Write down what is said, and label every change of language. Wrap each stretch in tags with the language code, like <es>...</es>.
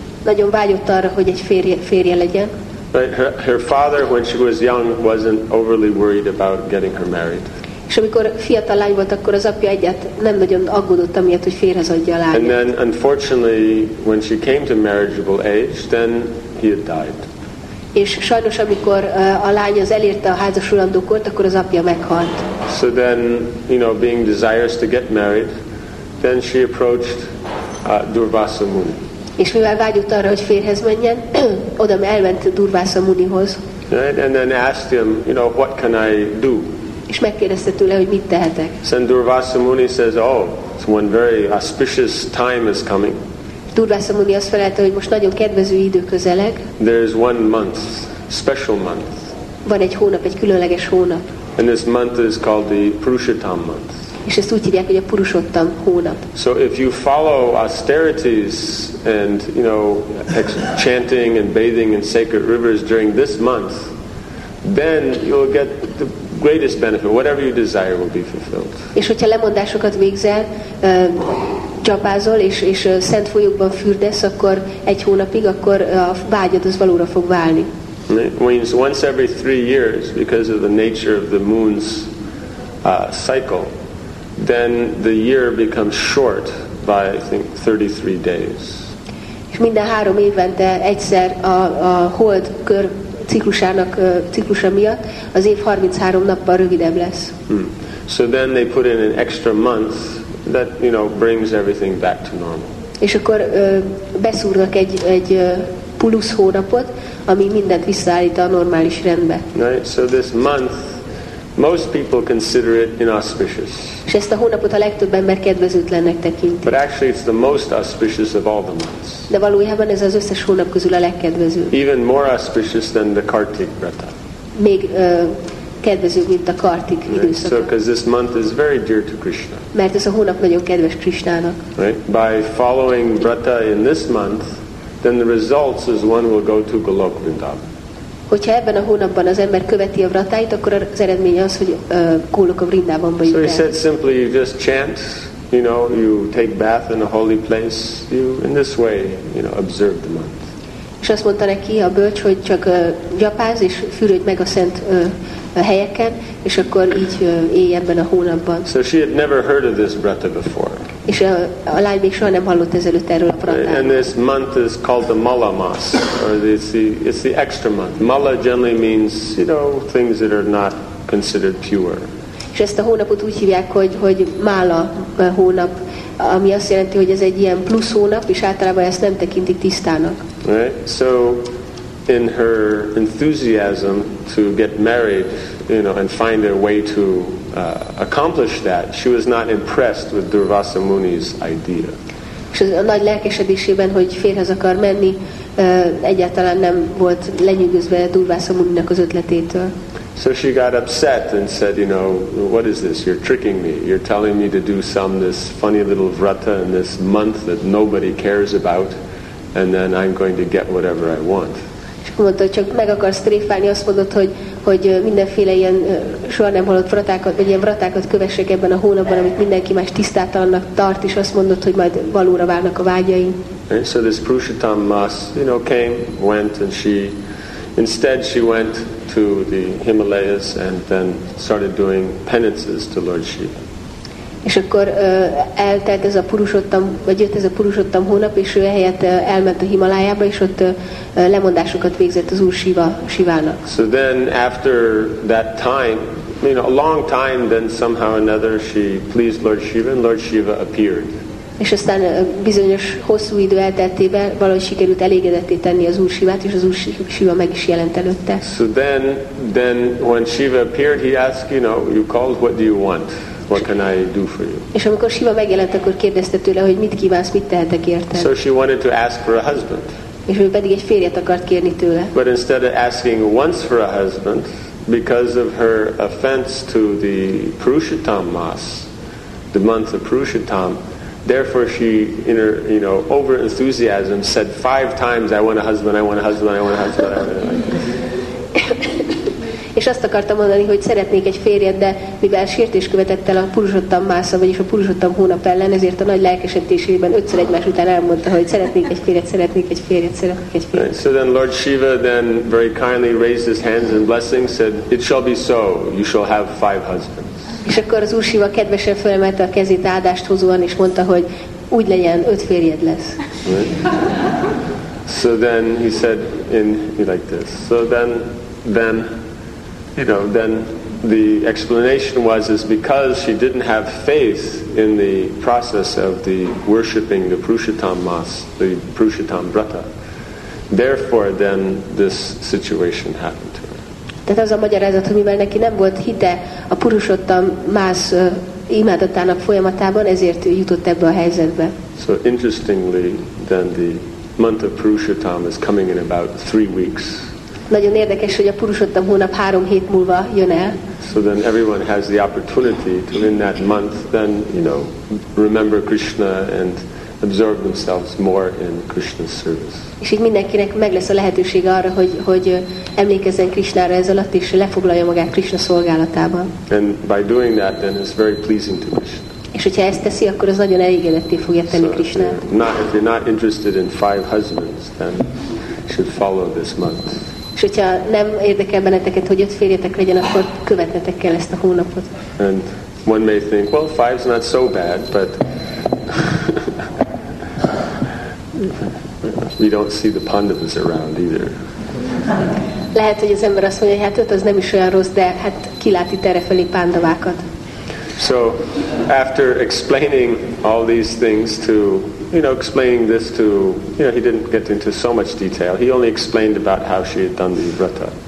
<hu>Nagyon vágyott arra, hogy egy férje legyen.</hu> <en>Right. Her father, when she was young, wasn't overly worried about getting her married.</en> <hu>És amikor fiatal lány volt, akkor az apja egyet nem nagyon aggódott amiatt, hogy férhez adja a lányát.</hu> <en>And then, unfortunately, when she came to marriageable age, then he had died.</en> <hu>És sajnos, amikor a lány az elérte a házasulandó kort, akkor az apja meghalt.</hu> <en>So then, you know, being desirous to get married, then she approached Durvasa Muni.</en> <hu>És mivel vágyott arra, hogy férhez menjen, oda elment Durvasa Munihoz.</hu> <en>Right? And then asked him, you know, what can I do?</en> <hu>És megkérdezte tőle, hogy mit tehetek.</hu> <en>Saint Durvasa Muni says, oh, it's one very auspicious time is coming.</en> <hu>Durvasa Muni azt felelte, hogy most nagyon kedvező idő közeleg.</hu> <en>There is one month, special month.</en> <hu>Van egy hónap, egy különleges hónap.</hu> <en>And this month is called the Purushottam month.</en> <hu>És ezt úgy hívják, hogy a Purushottam hónap.</hu> <en>So if you follow austerities and, you know, chanting and bathing in sacred rivers during this month, then you'll get the greatest benefit. Whatever you desire will be fulfilled.</en> <hu>És hogyha lemondásokat végzel, csapázol és szent folyókban fürdesz, akkor egy hónapig, akkor a vágyad az valóra fog válni.</hu> <en>Means once every 3 years, because of the nature of the moon's cycle, then the year becomes short by, I think, 33 days.</en> <hu>És minden 3 évente egyszer a hold kör ciklusának ciklusa miatt az év 33 nappal rövidebb lesz.</hu> <en>So then they put in an extra month that, you know, brings everything back to normal.</en> <hu>És akkor beszúrnak egy plusz hónapot, ami mindent visszaállít a normális rendbe.</hu> <en>Right? So this month Most people consider it inauspicious.</en> <hu>És ezt a hónapot a legtöbb ember kedvezőtlennek tekinti.</hu> <en>But actually it's the most auspicious of all the months.</en> <hu>De valójában ez az összes hónap közül a legkedvezőbb.</hu> <en>Even more auspicious than the Kartik Vrata.</en> <hu>Még kedvezőbb, mint a Kartik időszak.</hu> <en>So, because this month is very dear to Krishna.</en> <hu>Mert ez a hónap nagyon kedves Krishnának.</hu> <en>Right? By following Vrata in this month, then the results is one will go to Golok Vrindavan.</en> <hu>Hogyha ebben a hónapban az ember követi a vratáit, akkor az eredmény az, hogy Goloka Vrindavanba jut el.</hu> <en>So he said simply, you just chant, you know, you take bath in a holy place, you in this way, you know, observe the month.</en> <hu>És azt mondta neki a bölcs, hogy csak gyapáz és fürödj meg a szent helyeken, és akkor így élj ebben a hónapban.</hu> <en>So she had never heard of this vrata before.</en> <hu>És a lány még soha nem hallott ezelőtt erről a vratáról.</hu> <en>And this month is called the mala mass, or it's the extra month. Mala generally means, you know, things that are not considered pure.</en> <hu>És ezt a hónapot úgy hívják, hogy mála hónap, ami azt jelenti, hogy ez egy ilyen plusz hónap, és általában ezt nem tekintik tisztának.</hu> <en>Right? So in her enthusiasm to get married, you know, and find a way to accomplish that, she was not impressed with Durvasa Muni's idea.</en> <hu>És a nagy lelkesedésében, hogy férhez akar menni, egyáltalán nem volt lenyűgözve Durvasa Muninak az ötletétől.</hu> <en>So she got upset and said, you know, what is this? You're tricking me. You're telling me to do some this funny little vrata in this month that nobody cares about, and then I'm going to get whatever I want.</en> <hu>És akkor mondta, hogy csak meg akarsz tréfálni, azt mondod, hogy mindenféle ilyen soha nem hallott vratákat, vagy ilyen vratákat kövessek ebben a hónapban, amit mindenki más tisztátalannak tart, és azt mondod, hogy majd valóra válnak a vágyai.</hu> <en>And so this Purushottam mass, you know, came, went, and she, instead she went to the Himalayas and then started doing penances to Lord Shiva.</en> <hu>És akkor eltelt ez a Purushottam, vagy jött ez a Purushottam hónap, és ő ehelyett elment a Himalájába, és ott lemondásokat végzett az Úr Shivának.</hu> <en>So then after that time, you know, a long time, then somehow another she pleased Lord Shiva, and Lord Shiva appeared.</en> <hu>És aztán bizonyos hosszú idő elteltével valahogy sikerült elégedetté tenni az Úr Shivát, és az Úr Shiva meg is jelent előtte.</hu> <en>So then when Shiva appeared, he asked, you know, you called, what do you want? What can I do for you?</en> <hu>És amikor Shiva megjelent, akkor kérdezte tőle, hogy mit kívánsz, mit tehetek érted.</hu> <en>So she wanted to ask for a husband.</en> <hu>És ő pedig egy férjet akart kérni tőle.</hu> <en>But instead of asking once for a husband, because of her offense to the Purushottam mass, the month of Purushottam, therefore she, in her, you know, over enthusiasm, said five times, I want a husband, I want a husband, I want a husband.</en> <hu>És azt akartam mondani, hogy szeretnék egy férjet, de mivel sértés követett el a Purushottam mása, vagyis a Purushottam hónap ellen, ezért a nagy lelkesedésében ötször egymás után elmondta, hogy szeretnék egy férjet, szeretnék egy férjet, szeretnék egy férjet.</hu> <en>Right. So then Lord Shiva then very kindly raised his hands in blessing, said, it shall be so, you shall have five husbands.</en> <hu>És akkor az Úr Shiva kedvesen felemelte a kezét áldást hozóan, és mondta, hogy úgy legyen, öt férjed lesz.</hu> <en>Right. So then he said in like this. So then you know, then the explanation was is because she didn't have faith in the process of the worshipping the Purushottam mass, the Purushottam vrata. Therefore, then this situation happened to her.</en> <hu>Tehát az a magyarázat, hogy mivel neki nem volt hite a Purushottam mass imádatának folyamatában, ezért jutott ebbe a helyzetbe.</hu> <en>So interestingly, then the month of Purushottam is coming in about 3 weeks.</en> <hu>Nagyon érdekes, hogy a Purushottam hónap 3 hét múlva jön el.</hu> <en>So then everyone has the opportunity to in that month then, you know, remember Krishna and absorb themselves more in Krishna's service.</en> <hu>És így mindenkinek meg lesz a lehetőség arra, hogy emlékezzen Krishnára ez alatt, és lefoglalja magát Krishna szolgálatában.</hu> <en>And by doing that then it's very pleasing to Krishna.</en> <hu>És hogyha ezt teszi, akkor az nagyon elégedetté fogja tenni Krishnát.</hu> <en>So if you're not interested in five husbands, then should follow this month.</en> <hu>És hogyha nem érdekel benneteket, hogy öt férjetek legyen, akkor követnetek kell ezt a hónapot.</hu> <en>And one may think, well, five's not so bad, but we don't see the Pandavas around either.</en> <hu>Lehet, hogy az ember azt mondja, hogy hát öt az nem is olyan rossz, de hát ki lát itt erre felé Pandavákat.</hu> <en>So, after explaining all these things to, you know, explaining this to, you know, he didn't get into so much detail. He only explained about how she had done the vrata.</en>